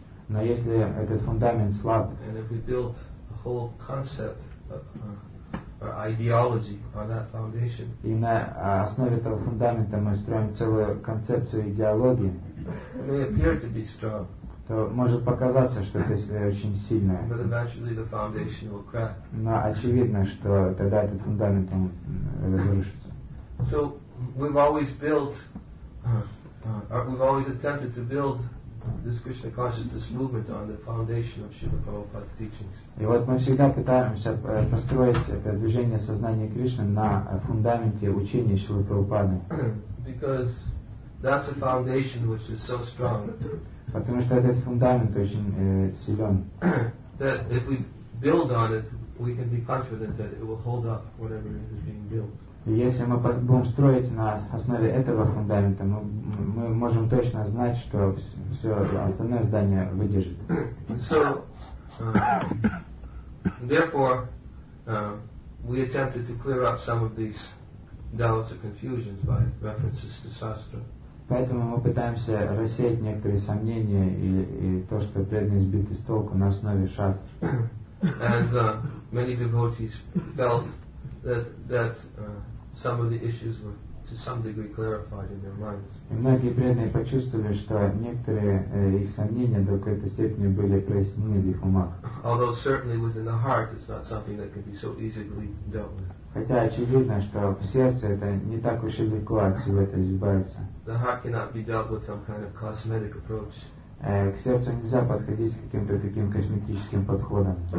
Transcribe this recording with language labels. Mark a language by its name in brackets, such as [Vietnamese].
[Russian] Но если этот фундамент слаб, [English] and if we build a whole concept or ideology on that foundation, [Russian] и на основе этого фундамента мы строим целую концепцию идеологии, [English] it may appear to be strong, [Russian] то может показаться, что это очень сильное. [English] But eventually the foundation will crack. [Russian] Но очевидно, что тогда этот фундамент разрушится. [English] So we've always built, or we've always attempted to build this Krishna consciousness movement on the foundation of Srila Prabhupada's teachings. [Russian] И вот мы всегда пытаемся построить это движение сознания Кришны на фундаменте учения Шрилы Прабхупады. [English] Because that's a foundation which is so strong. [Russian] Потому что этот фундамент очень силен. [English] That if we build on it, we can be confident that it will hold up whatever is being built. [Russian] И если мы будем строить на основе этого фундамента, мы можем точно знать, что все остальное здание выдержит. [English] So, therefore, we attempted to clear up some of these doubts or confusions by references to shastra. [Russian] Поэтому мы пытаемся рассеять некоторые сомнения и то, что преданные сбиты с толку на основе шастр. [English] And many devotees felt that some of the issues were to some degree clarified in their minds. [Russian] И многие преданные почувствовали, что некоторые их сомнения до какой-то степени были прояснены в их умах. [English] Although certainly within the heart it's not something that can be so easily dealt with. [Russian] Хотя очевидно, что в сердце это не так уж и легко от всего этого избавиться. [English] The heart cannot be dealt with some kind of cosmetic approach. [Russian] К сердцу нельзя подходить с каким-то таким косметическим подходом.